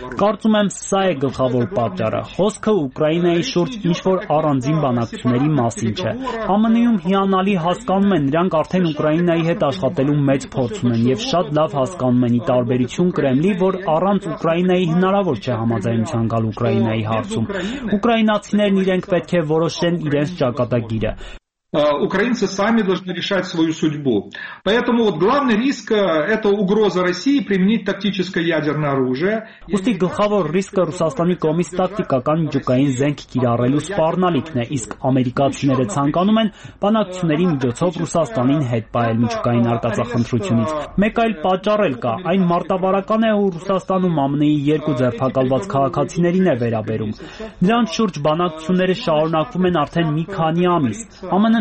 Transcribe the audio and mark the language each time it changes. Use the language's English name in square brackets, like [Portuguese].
[Armenian] Կարծում եմ, սա է գլխավոր պատճառը։ Խոսքը Ուկրաինայի շուրջ ինչ-որ առանձին բանակցությունների մասին չէ։ ԱՄՆ-ում հիանալի հասկանում են, նրանք արդեն Ուկրաինայի հետ աշխատելու մեծ փորձ ունեն եւ շատ լավ հասկանում են ի տարբերություն Կրեմլի, որ առանց Ուկրաինայի հնարավոր չէ համաձայնության գալ Ուկրաինայի հարցում։ Ուկրաինացիներն իրենք պետք է որոշեն իրենց ճակատագիրը։ [Russian] Украинцы сами должны решать свою судьбу. Поэтому вот главный риск – это угроза России применить тактическое ядерное оружие. [Armenian] Ուստի գլխավոր ռիսկը Ռուսաստանի կողմից տակտիկական միջուկային զենք կիրառելու սպառնալիքն է, իսկ ամերիկացիները ցանկանում են բանակցությունների միջոցով Ռուսաստանին հետ պահել միջուկային արկածախնդրությունից։ Մեկ այլ պատճառ էլ կա, այն մարտավարական է, որ Ռուսաստանում ԱՄՆ-ի երկու ձերբակալված քաղաքացիներին է վերաբերում։ Նրանց շուրջ բանակցությունները շարունակվում են արդեն մի քանի ամիս։ ԱՄՆ-ն